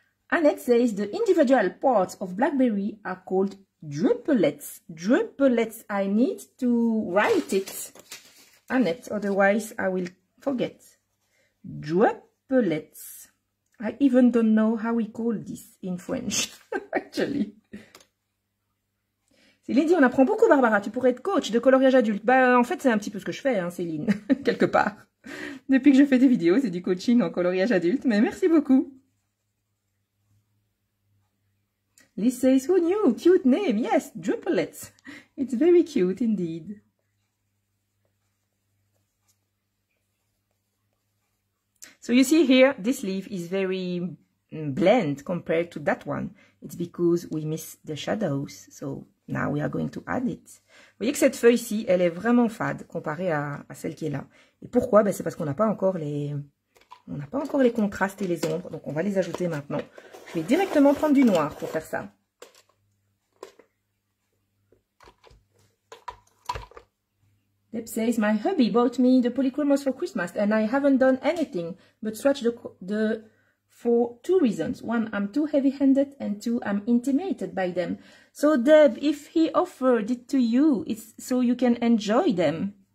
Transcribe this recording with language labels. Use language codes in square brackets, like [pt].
[en] Annette says, the individual parts of blackberry are called drupelets. Drupelets, I need to write it, Annette, otherwise I will forget. Drupelets. I even don't know how we call this in French, actually. [fr] Céline dit, on apprend beaucoup, Barbara, tu pourrais être coach de coloriage adulte. Bah, en fait, c'est un petit peu ce que je fais, hein, Céline, quelque part. Depuis que je fais des vidéos, c'est du coaching en coloriage adulte, mais merci beaucoup. [en] Liz says, who knew? Cute name, yes, Drupelets. It's very cute indeed. So you see here, this leaf is very blend compared to that one. It's because we miss the shadows, so... Now we are going to add it. [fr] Vous voyez que cette feuille-ci, elle est vraiment fade comparée à celle qui est là. Et pourquoi? Ben c'est parce qu'on n'a pas encore les contrastes et les ombres. Donc on va les ajouter maintenant. Je vais directement prendre du noir pour faire ça. [en] Deb says, my hubby bought me the polychromos for Christmas and I haven't done anything but swatch the for two reasons. One, I'm too heavy-handed and two, I'm intimidated by them. So Deb, if he offered it to you, it's so you can enjoy them.